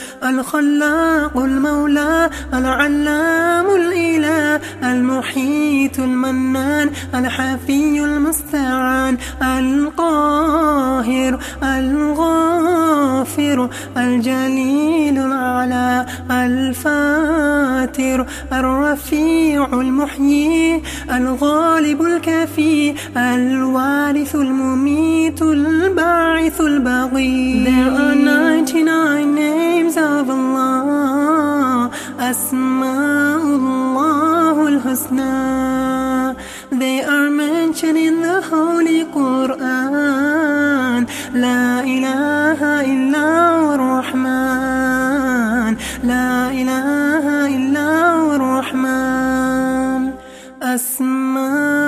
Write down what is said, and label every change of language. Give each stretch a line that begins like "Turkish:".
Arabic: الخلاق المولى العلام الإله المحيط المنان الحفي المستعان القاهر الغافر الجليل العلا الفاتر الرفيع المحيي الغالب الكفي الوارث المميت الباعث البغي.
English: There are 99 names of Allah.
Arabic: أسماء الله الحسنى.
English: They are mentioned in the Holy Quran.
Arabic: لا إله إلا الله الرحمن. لا إله إلا الله الرحمن. أسماء الله الحسنى.